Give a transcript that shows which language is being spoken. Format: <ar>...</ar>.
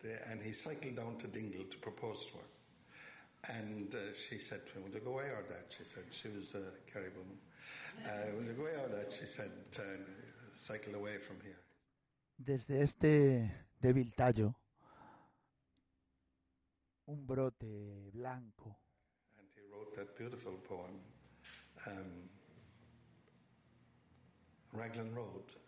<en>And he cycled down to Dingle to propose to her. And she said to him, will you go away or that? She said, she was a Kerry woman. Will you go away or that? She said, cycle away from here.</en> <es>Desde este débil tallo, un brote blanco.</es> <en>And he wrote that beautiful poem, Raglan Road.</en>